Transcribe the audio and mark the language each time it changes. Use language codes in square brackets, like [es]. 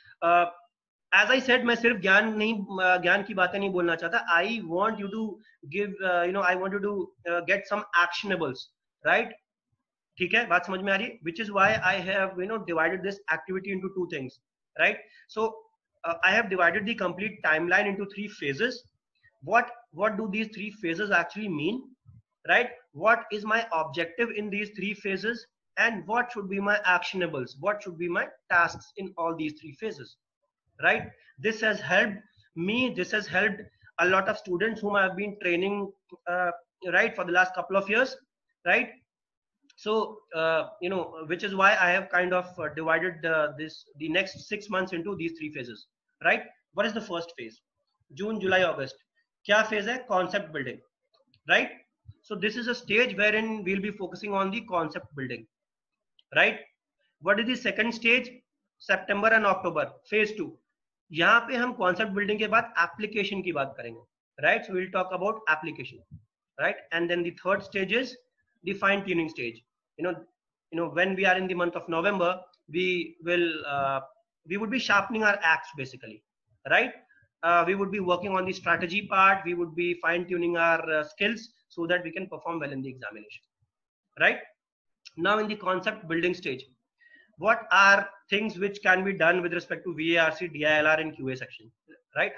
[en] as I said, [hi] मैं सिर्फ ज्ञान की बातें नहीं बोलना चाहता, [en] I want you to give you know I want you to get some actionables, right. [hi] ठीक है, बात समझ में आ रही है, [en] Which is why I have you know divided this activity into two things, right. So I have divided the complete timeline into three phases. What do these three phases actually mean, right? What is my objective in these three phases, and what should be my actionables? What should be my tasks in all these three phases, right? This has helped me. This has helped a lot of students whom I have been training, right, for the last couple of years, right? So you know, which is why I have kind of divided the next 6 months into these three phases, right? What is the first phase? June, July, August. [hi] क्या phase है? [en] Concept building, right. So this is a stage where in we'll be focusing on the concept building, right. What is the second stage? September and October, phase two. [hi] यहां पे हम concept building के बाद application की बात करेंगे, right. [en] So we'll talk about application, right. And then the third stage is the fine tuning stage. You know when we are in the month of November, we would be sharpening our axe basically, right. We would be working on the strategy part. We would be fine-tuning our skills so that we can perform well in the examination, right? Now in the concept building stage, what are things which can be done with respect to VARC, DILR, and QA section, right?